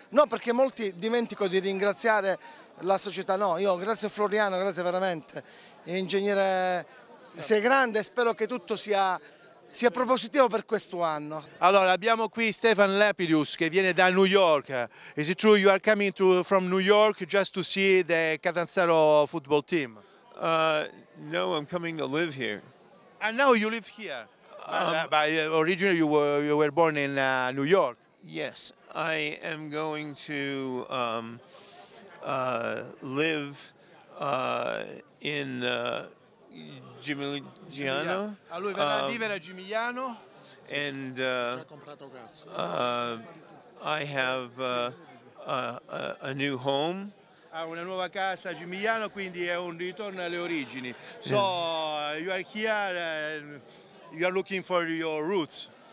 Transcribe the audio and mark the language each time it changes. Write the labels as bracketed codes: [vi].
[it] No, perché molti dimentico di ringraziare la società. No, io grazie a Floriano, grazie veramente. Ingegnere, sei grande, spero che tutto sia propositivo per questo anno. Allora, abbiamo qui Stefan Lapidus che viene da New York. [en] Is it true you are coming from New York just to see the Catanzaro football team? No, I'm coming to live here. And now you live here? Originally you were born in New York. Yes, I am going to live in Gimigliano. [it] A lui verrà a vivere a Gimigliano. [en] And I have a new home. [it] Ha una nuova casa a Gimigliano, quindi è un ritorno alle origini. [en] So, you are here, you are looking for your roots.